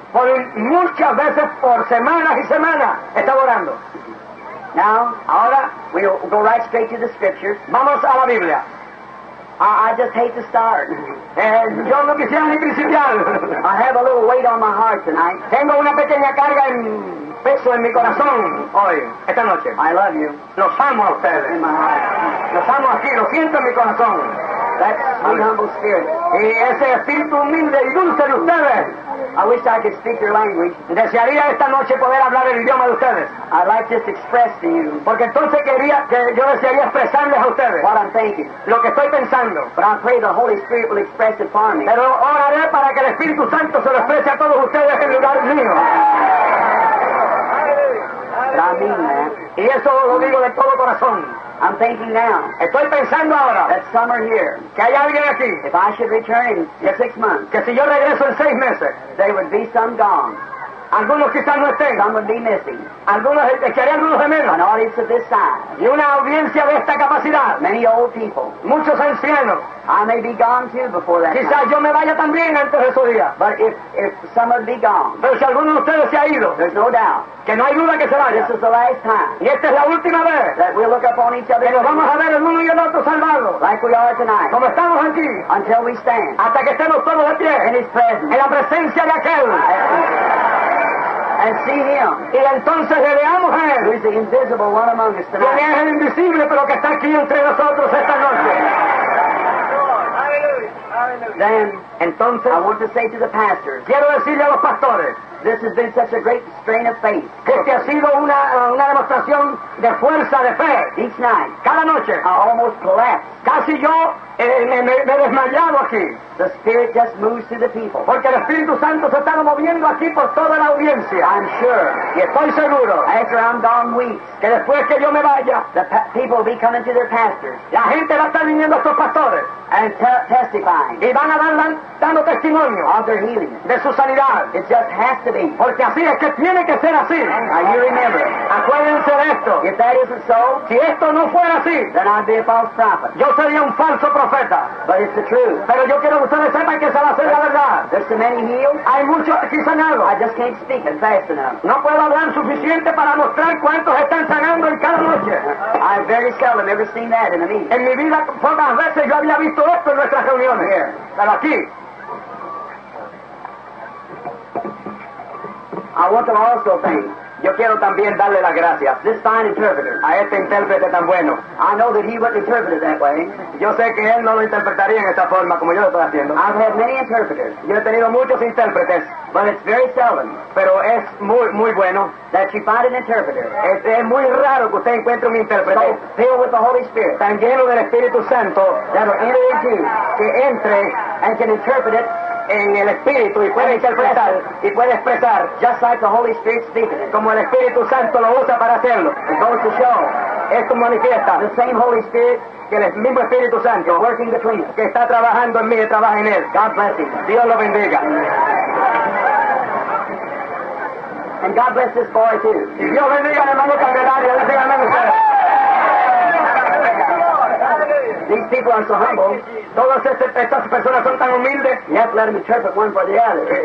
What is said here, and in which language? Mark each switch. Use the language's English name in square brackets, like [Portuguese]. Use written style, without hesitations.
[Spanish] Por muchas veces, por semanas y semanas, está orando. [English] Now, [Spanish] ahora, [English] we'll go right straight to the scriptures. [Spanish] Vamos a la Biblia. [English] I just hate to start. [Spanish] Yo no quisiera ni principiar. [English] I have a little weight on my heart tonight. [Spanish] Tengo una pequeña carga en peso en mi corazón hoy, esta noche. [English] I love you. [Spanish] Los amo a ustedes. [English] In my heart. [Spanish] Los amo aquí, los siento en mi corazón. [English] That's my humble spirit. [Spanish] Y ese espíritu humilde y dulce de ustedes. [English] I wish I could speak your language. [Spanish] Desearía esta noche poder hablar el idioma de ustedes. [English] I'd like to express to you. [Spanish] Porque entonces quería que yo desearía expresarles a ustedes. [English] What I'm thinking. [Spanish] Lo que estoy pensando. [English] But I pray the Holy Spirit will express it for me. [Spanish] Pero oraré para que el Espíritu Santo se lo exprese a todos ustedes en lugar mío. [English] But I mean that. [Spanish] Y eso lo digo de todo corazón. [English] I'm thinking now. [Spanish] Estoy pensando ahora. [English] That summer here. [Spanish] Que hay alguien aquí. [English] If I should return in 6 months. [Spanish] Que si yo regreso en 6 meses. [English] There would be some gone. [Spanish] Algunos quizás no estén. [English] Some would be missing. [Spanish] Algunos echarían algunos de menos. [English] An audience of this size. [Spanish] Y una audiencia de esta capacidad. [English] Many old people. [Spanish] Muchos ancianos. [English] I may be gone too before that. [Spanish] Quizá yo me vaya también antes de su día. [English] But if some of be gone. [Spanish] Pero si alguno de ustedes se ha ido. [English] There's no doubt. [Spanish] Que no hay duda que se vaya. [English] This is the last time. [Spanish] Y esta es la última vez. [English] That we look up on each other. [Spanish] Que nos vamos a ver el uno y el otro salvado. [English] Like we are tonight. [Spanish] Como estamos aquí. [English] Until we stand. [Spanish] Hasta que estemos todos de pie. [English] In his presence. [Spanish] En la presencia de aquel. [English] And see him. [Spanish] Y entonces le veamos a él. [English] Who is the invisible one among us tonight. [Spanish] Quien es el invisible pero que está aquí entre nosotros esta noche. [English] Then, [Spanish] entonces, [English] I want to say to the pastors, [Spanish] quiero decirle a los pastores, [English] this has been such a great strain of faith. [Spanish] Este ha sido una demostración de fuerza, de fe. [English] Each night, [Spanish] cada noche, [English] I almost collapsed. [Spanish] Casi yo me he desmayado aquí. [English] The Spirit just moves through the people. [Spanish] Porque el Espíritu Santo se está moviendo aquí por toda la audiencia. [English] I'm sure. [Spanish] Y estoy seguro. [English] After I'm gone weeks, [Spanish] que después que yo me vaya, [English] the people will be coming to their pastors. [Spanish] La gente va a estar viniendo a sus pastores. [English] And testifying. [Spanish] Y van a dar dando testimonio. [English] Of their healing. [Spanish] De su sanidad. [English] It just has to be. [Spanish] Porque así es que tiene que ser así. [English] Now you remember. [Spanish] Acuérdense de esto. [English] If that isn't so, [Spanish] si esto no fuera así, [English] then I'd be a false prophet. [Spanish] Yo sería un falso profeta. [English] But it's the truth. [Spanish] Pero yo quiero que ustedes sepan que esa va a ser la verdad. [English] There's so many healed. [Spanish] Hay muchos aquí sanados. [English] I just can't speak and fast enough. [Spanish] No puedo hablar suficiente para mostrar cuántos están sanando en cada noche. [English] I've very seldom ever seen that in a meeting. [Spanish] En mi vida pocas veces yo había visto esto en nuestras reuniones. [English] Here. [Spanish] Pero aquí. [English] I want to also thank. [Spanish] Yo quiero también darle las gracias. [English] This fine interpreter. [Spanish] A este intérprete tan bueno. [English] I know that he wouldn't interpret it that way. [Spanish] Yo sé que él no lo interpretaría en esta forma como yo lo estoy haciendo. [English] I've had many interpreters. [Spanish] Yo he tenido muchos intérpretes. [English] But it's very seldom. [Spanish] Pero es muy, muy bueno. [English] That you find an interpreter. [Spanish] Es muy raro que usted encuentre un intérprete. [English] So filled with the Holy Spirit. [Spanish] Tan lleno del Espíritu Santo. [English] That will enter into. [Spanish] Que entre. [English] And can interpret it. [Spanish] En el Espíritu y puede interpretar y puede expresar [English] just like the Holy Spirit speaks, [Spanish] como el Espíritu Santo lo usa para hacerlo. [English] It goes to show, [Spanish] esto manifiesta [English] the same Holy Spirit, [Spanish] que el mismo Espíritu Santo [English] is working between us, [Spanish] que está trabajando en mí y trabaja en él. [English] God bless him. [Spanish] Dios lo bendiga. [English] And God bless this boy too. [Spanish] Dios bendiga al hermano Candelario. Dios bendiga al hermano usted. [English] These people are so humble. [Spanish] Todas estas personas son tan humildes. [English] You have to let them interpret one for the other.